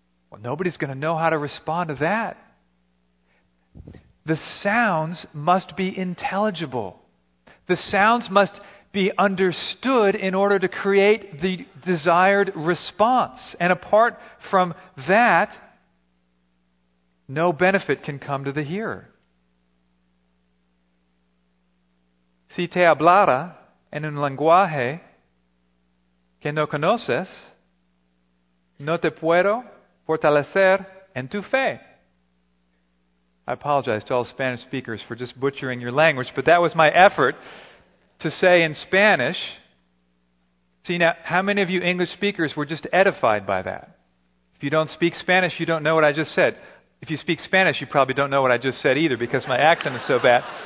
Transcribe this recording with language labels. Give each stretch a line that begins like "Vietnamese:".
English: Well, nobody's going to know how to respond to that. The sounds must be intelligible. The sounds must be understood in order to create the desired response. And apart from that, no benefit can come to the hearer.
Spanish: Si te hablara en un lenguaje que no conoces, no te puedo fortalecer en tu fe.
English: I apologize to all Spanish speakers for just butchering your language, but that was my effort to say in Spanish. See, now, how many of you English speakers were just edified by that? If you don't speak Spanish, you don't know what I just said. If you speak Spanish, you probably don't know what I just said either, because my accent is so bad.